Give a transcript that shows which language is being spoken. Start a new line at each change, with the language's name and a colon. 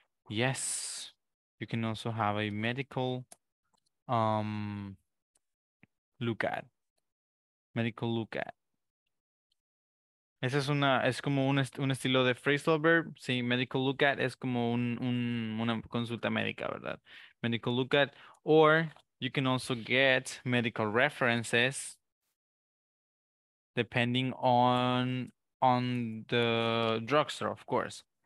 English: Yes, you can also have a medical look at.
Spanish: Esa es una, es como un estilo de phrasal verb. Sí, medical look at es como una consulta médica, ¿verdad?
English: Medical look at, or you can also get medical references depending on the drugstore, of course.